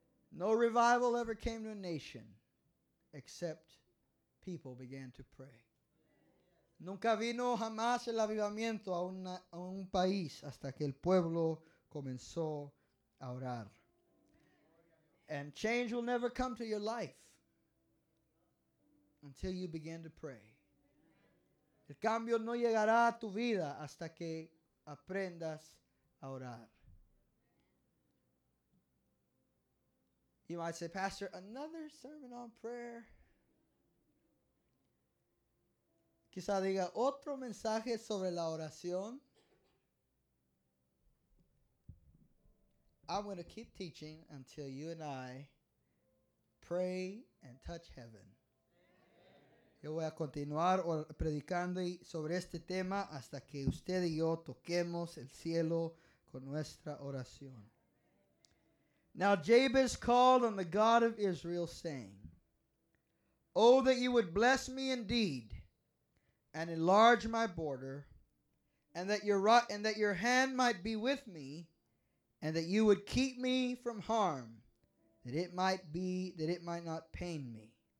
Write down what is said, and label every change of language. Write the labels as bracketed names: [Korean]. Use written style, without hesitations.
[English] No revival ever came to a nation except people began to pray. [Spanish] Nunca vino jamás el avivamiento a un país hasta que el pueblo comenzó a orar. [English] And change will never come to your life until you begin to pray. [Spanish] El cambio no llegará a tu vida hasta que aprendas a orar. [English] You might say, Pastor, another sermon on prayer. [Spanish] Quizá diga otro mensaje sobre la oración. [English] I'm going to keep teaching until you and I pray and touch heaven. [Spanish] Yo voy a continuar predicando sobre este tema hasta que usted y yo toquemos el cielo con nuestra oración. [English] Now Jabez called on the God of Israel, saying, Oh, that you would bless me indeed and enlarge my border, and that your hand might be with me, and that you would keep me from harm, that it might not pain me.